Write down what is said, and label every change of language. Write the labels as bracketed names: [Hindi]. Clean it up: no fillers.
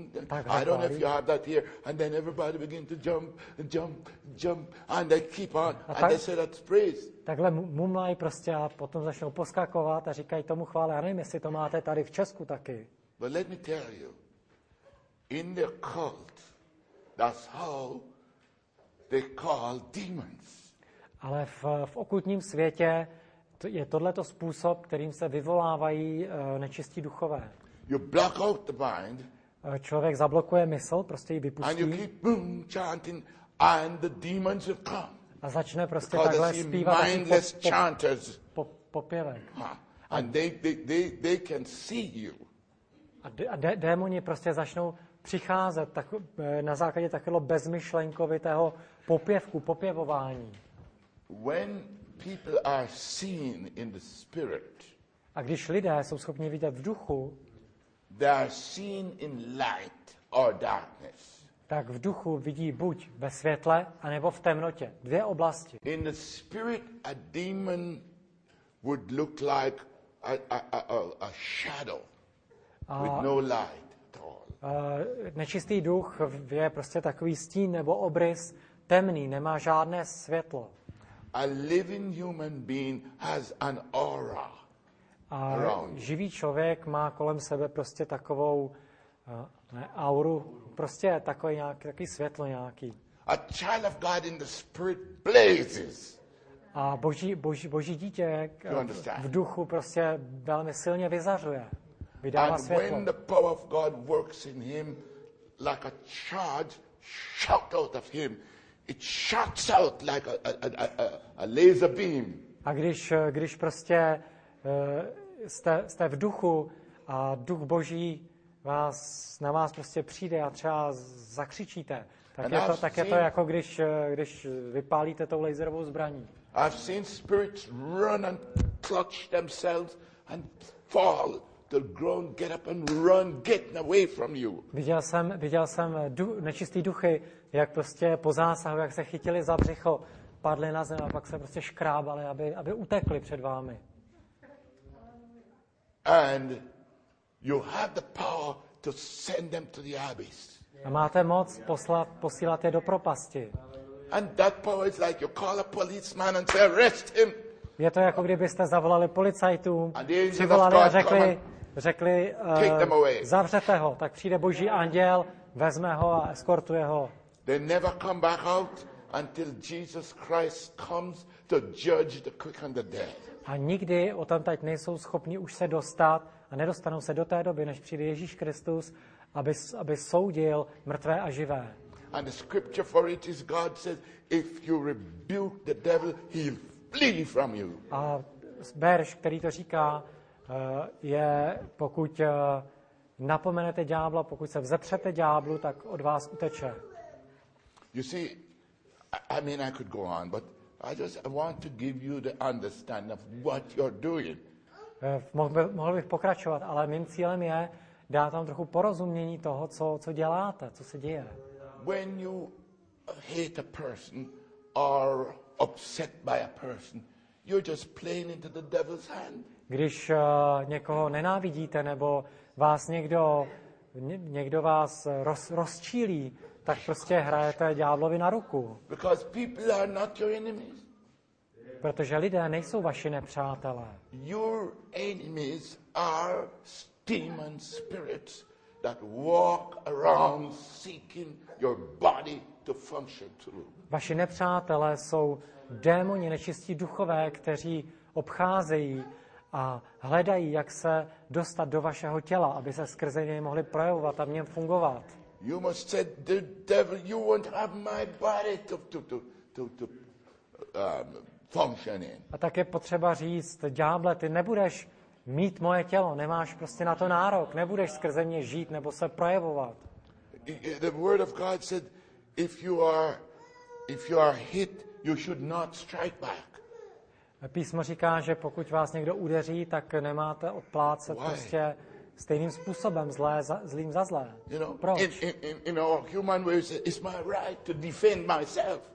[English] I don't know if you have that here, and then everybody begin to jump, and they keep on, and they say that's praise. [Czech] Takhle mumlají prostě a potom začnou poskakovat a říkají tomu chvále. Já nevím, jestli to máte tady v Česku taky. [English] But let me tell you, in the cult, that's how they call demons. [Czech] Ale v okultním světě je tohleto způsob, kterým se vyvolávají nečistí duchové. [English] You block out the mind. [Czech] Člověk zablokuje mysl, prostě ji vypustí. [English] And you keep boom, chanting, and the demons will come. [Czech] A začne prostě takhle zpívat [English] mindless chanters. [Czech] Popěvek. [English] And they can see you. [Czech] A démoni prostě začnou přicházet tak na základě takového bezmyšlenkovitého popěvování. [English] When people are seen in the spirit. [Czech] A když lidé jsou schopni vidět v duchu, [English] they are seen in light or darkness. [Czech] Tak v duchu vidí buď ve světle, anebo v temnotě. Dvě oblasti. [English] In the spirit, a demon would look like a shadow with no light at all. [Czech] Nečistý duch je prostě takový stín nebo obrys, temný, nemá žádné světlo. [English] A living human being has an aura. [Czech] A živý člověk má kolem sebe prostě takovou auru, prostě takový nějaký, takový světlo nějaký. [English] A child of God in the spirit blazes. [Czech] A boží dítě v duchu prostě velmi silně vyzařuje, vydává [English] and [Czech] světlo. [English] And when the power of God works in him, like a charge shot out of him, it shoots out like a laser beam. [Czech] A když prostě jste v duchu a duch boží vás na vás prostě přijde a třeba zakřičíte, tak je to jako když vypálíte tou laserovou zbraní. [English] I've seen spirits run and clutch themselves and fall to groan, get up and run, get away from you. [Czech] Viděl jsem nečistý duchy, jak prostě po zásahu, jak se chytili za břicho, padli na zem a pak se prostě škrábali, aby utekli před vámi. [English] And you have the power to send them to the abyss. [Czech] A máte moc posílat je do propasti. [English] And that power is like you call a policeman and say arrest him. [Czech] Je to jako kdybyste zavolali policajtům, přivolali a řekli zavřete ho, tak přijde boží anděl, vezme ho a eskortuje ho. [English] They never come back out until Jesus Christ comes to judge the quick and the dead. [Czech] A nikdy o tam teď nejsou schopni už se dostat a nedostanou se do té doby, než přijde Ježíš Kristus, aby soudil mrtvé a živé. [English] And the scripture for it is God says, if you rebuke the devil, he'll flee from you. [Czech] A verš, který to říká, je, pokud napomenete ďábla, pokud se vzepřete ďáblu, tak od vás uteče. [English] You see, I mean, I could go on, but I want to give you the understanding of what you're doing. [Czech] Mohl bych pokračovat, ale mým cílem je dát vám trochu porozumění toho, co děláte, co se děje. [English] When you hate a person or upset by a person, you're just playing into the devil's hand. [Czech] Když někoho nenávidíte nebo vás někdo vás rozčílí, tak prostě hrajete ďáblovi na ruku. [English] Because people are not your enemies. [Czech] Protože lidé nejsou vaši nepřátelé. [English] Your enemies are demon spirits that walk around seeking your body to function through. [Czech] Vaši nepřátelé jsou démoni, nečistí duchové, kteří obcházejí a hledají, jak se dostat do vašeho těla, aby se skrze něj mohli projevovat a v něm fungovat. [English] You must say the devil, you won't have my body to function in. [Czech] A tak je potřeba říct, ďáble, ty nebudeš mít moje tělo, nemáš prostě na to nárok, nebudeš skrze mě žít nebo se projevovat. [English] The word of God said if you are hit, you should not strike back. [Czech] Písmo říká, že pokud vás někdo udeří, tak nemáte odplácet prostě stejným způsobem zlé za, zlým za zlé. [English] You know, [Czech] proč? [English] In our human ways, it's my right to defend myself.